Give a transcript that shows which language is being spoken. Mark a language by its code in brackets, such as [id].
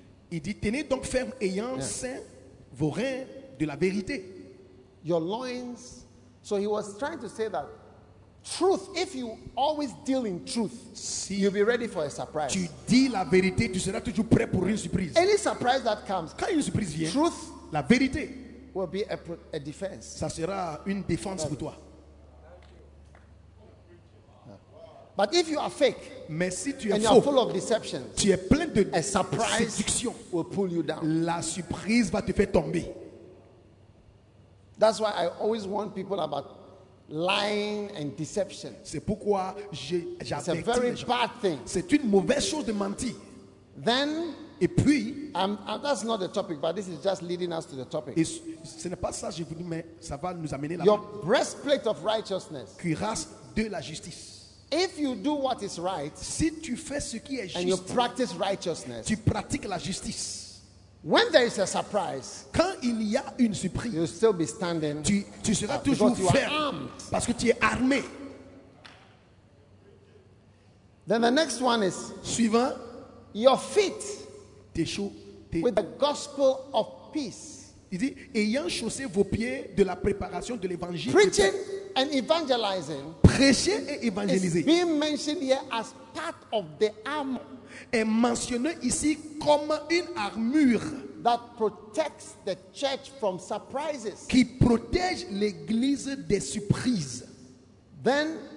[fr] Il dit tenez donc ferme ayant ceint vos reins de la vérité. [en] Your loins. So he was trying to say that truth, if you always deal in truth, [fr] si [en] you'll be ready for a surprise. [fr] Tu dis la vérité, tu seras toujours prêt pour une surprise. [en] Any surprise that comes, [fr] quand une surprise vient, [en] truth, [fr] la vérité, [en] will be a defense. [fr] Ça sera une défense pour toi. [en] But if you are fake, [fr] mais si tu es [en] and [fr] faux, [en] you are full of deception, [fr] tu es plein de [en] a surprise [fr] séduction, [en] will pull you down. [fr] La surprise va te faire tomber. [en] That's why I always warn people about lying and deception. [fr] C'est pourquoi j'ai [en] it's a very bad thing. [fr] C'est une mauvaise chose de mentir. [en] Then, [fr] et puis, [en] that's not the topic, but this is just leading us to the topic. [fr] Et ce n'est pas ça, je vous dis, mais ça va nous amener là. [en] Your breastplate of righteousness. [fr] Cuirasse de la justice. [en] If you do what is right, [fr] si tu fais ce qui est juste, [en] and you practice righteousness, [fr] tu pratiques la justice. [en] When there is a surprise, [fr] quand il y a une surprise, [en] you'll still be standing. [fr] Tu seras toujours ferme parce que tu es armé. [en] Then the next one is [fr] suivant, [en] your feet, [fr] tes chaussures. [en] With the gospel of peace. [fr] Il dit, ayant chaussé vos pieds de la préparation de l'évangile. [en] Preaching and evangelizing. [fr] Prêcher et évangéliser. [en] Is being mentioned here as part of the armor. [fr] Est mentionné ici comme une armure. [en] That protects the church from surprises. [fr] Qui protège l'église des surprises. [en] Then,